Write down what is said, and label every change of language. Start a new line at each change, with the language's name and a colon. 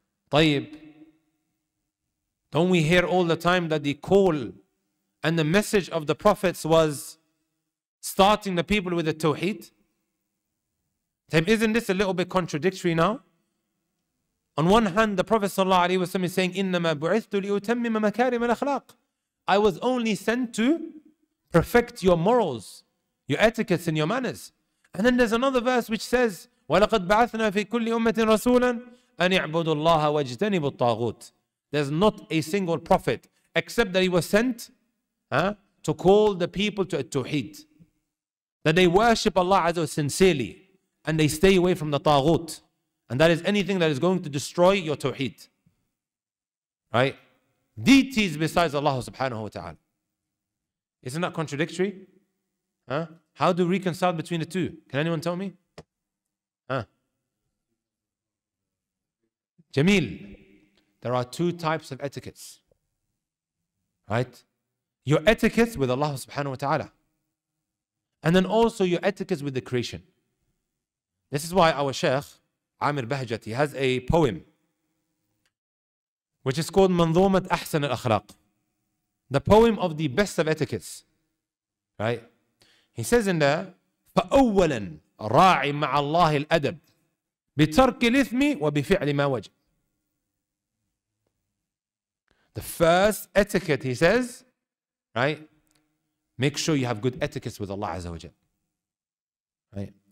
English: طيب, don't we hear all the time that the call and the message of the prophets was starting the people with the tawheed? طيب, isn't this a little bit contradictory now? On one hand, the Prophet sallallahu alaihi wasallam is saying,
Arabic: إِنَّمَا بُعِثْتُ لِأُتَمِّمَ مَكَارِمَ الْأَخْلَاقِ.
English: I was only sent to perfect your morals, your etiquettes and your manners. And then there's another verse which says,
Arabic: وَلَقَدْ بَعَثْنَا فِي كُلِّ أُمَّةٍ رَسُولًا أَنْ اِعْبُدُ اللَّهَ وَاجْتَنِبُ الطَّاغُوتِ.
English: There's not a single prophet except that he was sent to call the people to التوحيد. That they worship Allah Azza wa Jalla sincerely and they stay away from the طاغوت. And that is anything that is going to destroy your توحيد. Right? Deities besides Allah subhanahu wa ta'ala. Isn't that contradictory? How do we reconcile between the two? Can anyone tell me? Jameel, there are two types of etiquettes. Right? Your etiquettes with Allah subhanahu wa ta'ala. And then also your etiquettes with the creation. This is why our Shaykh, Amir Bahjat, he has a poem which is called Manzumat Ahsan al-Akhlaq. The poem of the best of etiquettes. Right? He says in there,
Arabic: فَأَوَّلًا رَاعِ مَعَ اللَّهِ الْأَدَبْ بِتَرْكِ الْإِثْمِ وَبِفِعْلِ مَا وَجَبْ.
English: The first etiquette, he says, right? Make sure you have good etiquettes with Allah Azza wa Jal. Right?